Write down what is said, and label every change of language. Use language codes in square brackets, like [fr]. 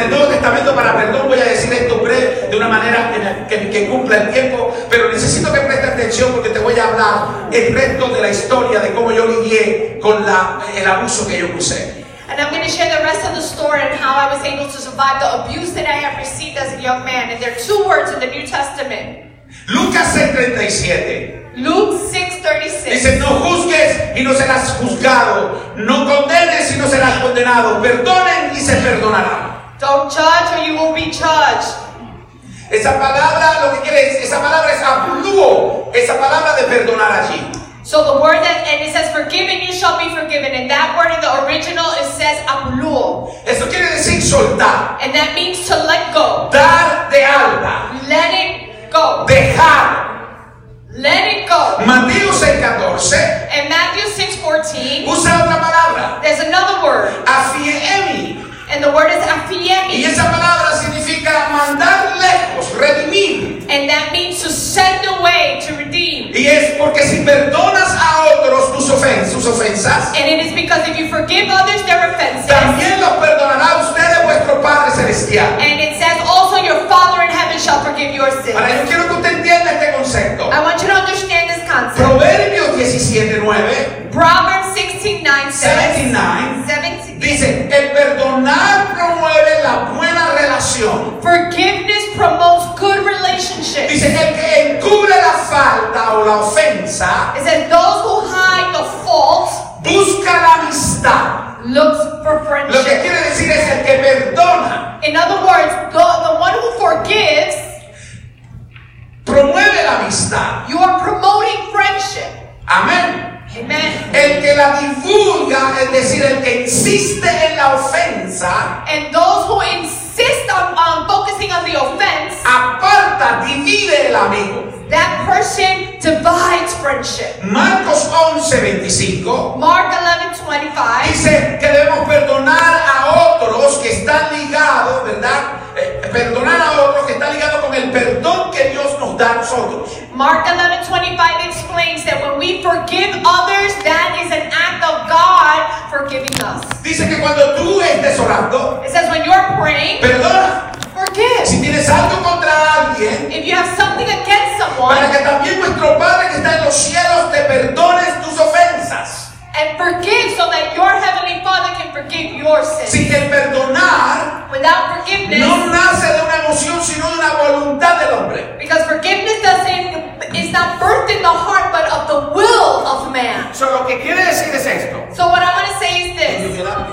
[es] preparando para perdón, voy a decir esto breve de una manera que cumpla el tiempo, pero necesito que preste atención porque te voy a hablar el resto de la historia de cómo yo lidié con el abuso que yo usé. [en] And I'm going to share the rest of the story and how I was able to survive the abuse that I have received as a young man. And there are two words in the New Testament. [es] Lucas 6:37. [en] Luke 6:36. [es] Dice, no juzgues y no serás juzgado. No condenes y no serás condenado. Perdonen y se perdonará. [en] Don't judge or you will be judged. [es] Esa palabra, lo que quiere decir, esa palabra es abluo. Esa palabra de perdonar allí. [en] So the word that, and it says, forgiven, you shall be forgiven. And that word in the original, it says, abluo. [es] Eso quiere decir soltar. [en] And that means to let go. [es] Dar de alta. [en] Let it go. [es] Dejar. [en] Let it go. [es] Mateo 6:14. [en] And Matthew 6:14. [es] Usa otra palabra. [en] There's another word. [es] Afiemi. [en] And the word is afiemi. [es] Y esa palabra significa mandar lejos, redimir. [en] And that means to send away, to redeem. [es] Y es porque si perdonas a otros sus ofensas. [en] And it is because if you forgive others their offenses. [es] También los perdonará ustedes vuestro Padre Celestial. [en] And it says also your Father in heaven shall forgive your sins. [es] Ahora yo quiero que usted entienda este concepto. [en] I want you to understand this concept. [es] Proverbios 17:9. [en] Proverbs 16:9 [es] dice, el perdonar promueve la buena relación. [en] Forgiveness promotes good relationships. [es] Dice, el que encubre la falta o la ofensa. [en] It says, those who hide the fault. [es] Busca la amistad. [en] Looks for friendship. [es] Lo que quiere decir es el que perdona. [en] In other words, the one who forgives. [es] Promueve la amistad. [en] You are promoting friendship. [es] Amén. [en] Amen. [es] El que la divulga, es decir, el que insiste en la ofensa. [en] And those who insist on focusing on the offense. [es] Aparta, divide el amigo. [en] That person divides friendship. [es] Marcos 11:25. [en] Mark 11:25. [es] Dice que debemos perdonar a otros que están ligados, ¿verdad? Perdonar a otros que están ligados con el perdón que Dios nos da a nosotros. [en] Mark 11:25 explains that when we forgive others, that is an act of God forgiving us. [es] Dice que cuando tú estés orando. [en] It says when you are praying. [es] Perdona. [en] Forgive. [es] Si tienes algo contra alguien. [en] If you have something against someone. [es] Para que también nuestro Padre que está en los cielos te perdone tus ofensas. [en] And forgive so that your heavenly Father can forgive your sins. [es] Sin el perdonar. [en] Without forgiveness. [es] No nace de una emoción sino de una voluntad del hombre. [en] Because forgiveness is not birthed in the heart but of the will of man. [es] So lo que quiere decir es esto. [en] So what I want to say is this.